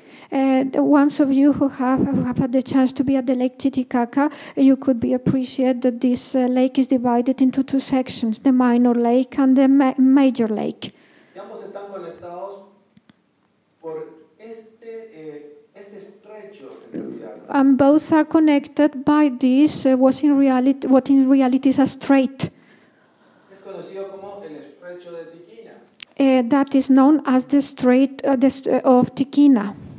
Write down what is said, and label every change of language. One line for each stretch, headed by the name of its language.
English: Once of you who have had the chance to be at the Lake Titicaca, you could be appreciate that this lake is divided into two sections, the minor lake and the major lake.
Spanish: Y ambos están conectados por este estrecho entre
English: And both are connected by this what in reality is a strait.
Spanish: Es conocido como el estrecho de Tiquina.
English: That is known as the Strait of Tiquina.